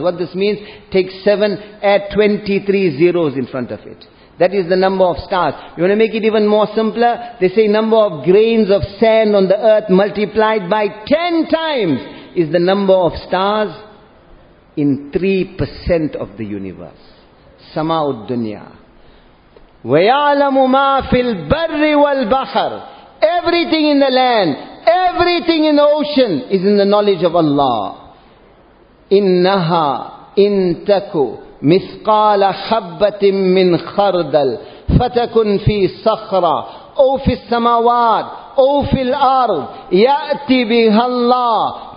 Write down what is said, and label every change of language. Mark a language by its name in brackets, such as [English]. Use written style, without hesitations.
[English] What this means, take 7, add 23 zeros in front of it. That is the number of stars. You want to make it even more simpler? They say number of grains of sand on the earth multiplied by 10 times is the number of stars in 3% of the universe. Sama'ud dunya. [Arabic] وَيَعْلَمُ مَا فِي الْبَرِّ وَالْبَحَرِ [English] Everything in the land, Everything in the ocean is in the knowledge of Allah. [Arabic] إِنَّهَا إِن تَكُ مِثْقَالَ حَبَّةٍ مِّنْ خَرْدَلٍ فَتَكُنْ فِي صَخْرَةٍ أَوْ فِي السَّمَاوَاتِ أَوْ فِي الْأَرْضِ يَأْتِ بِهَا اللَّهُ.